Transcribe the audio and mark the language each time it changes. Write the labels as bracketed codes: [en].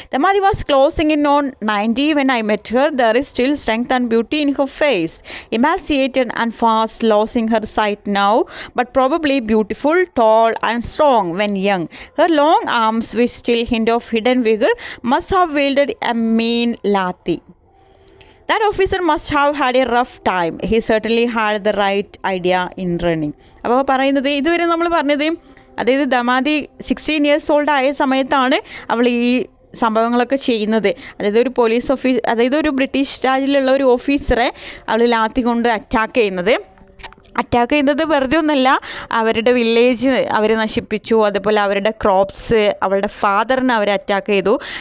[en] The mother was closing in on 90 when I met her. There is still strength and beauty in her face. Emaciated and fast losing her sight now, but probably beautiful, tall and strong when young. Her long arms which still hint of hidden vigour must have wielded a mean lathi. That officer must have had a rough time. He certainly had the right idea in running. [ml] അപ്പോൾ പറയുന്നത് ഇതുവരെ നമ്മൾ പറഞ്ഞത്, അതായത് ദമാദി [en] 16 years old [ml] ആയ സമയത്താണ് അവൾ ഈ സംഭവങ്ങളൊക്കെ ചെയ്യുന്നത്. അതായത് ഒരു പോലീസ് ഓഫീസർ, അതായത് ഒരു ബ്രിട്ടീഷ് രാജിലുള്ള ഒരു ഓഫീസറെ അവൾ ലാത്തി കൊണ്ട് അറ്റാക്ക് ചെയ്യുന്നത്. അറ്റാക്ക് ചെയ്യുന്നത് വെറുതെ ഒന്നുമല്ല, അവരുടെ വില്ലേജ് അവരെ നശിപ്പിച്ചു, അതുപോലെ അവരുടെ ക്രോപ്സ്, അവളുടെ ഫാദറിനെ അവരെ അറ്റാക്ക് ചെയ്തു.